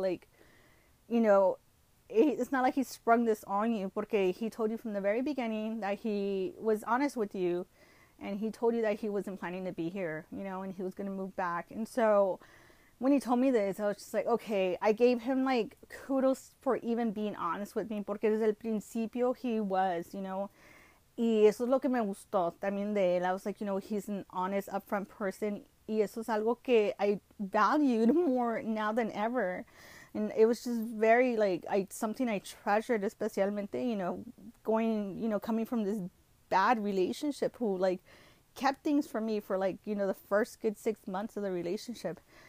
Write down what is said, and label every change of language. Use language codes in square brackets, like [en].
[en] Like, you know, it's not like he sprung this on you, porque he told you from the very beginning that he was honest with you. And he told you that he wasn't planning to be here, you know, and he was gonna move back. And so when he told me this, I was just like, okay, I gave him like kudos for even being honest with me, [es] porque desde el principio [en] he was, you know. [es] Y eso es lo que me gustó también de él. [en] I was like, you know, he's an honest, upfront person. [es] Y eso es algo que [en] I valued more now than ever. And it was just very like something I treasured, especialmente, you know, going, you know, coming from this bad relationship who like kept things from me for like, you know, the first good 6 months of the relationship.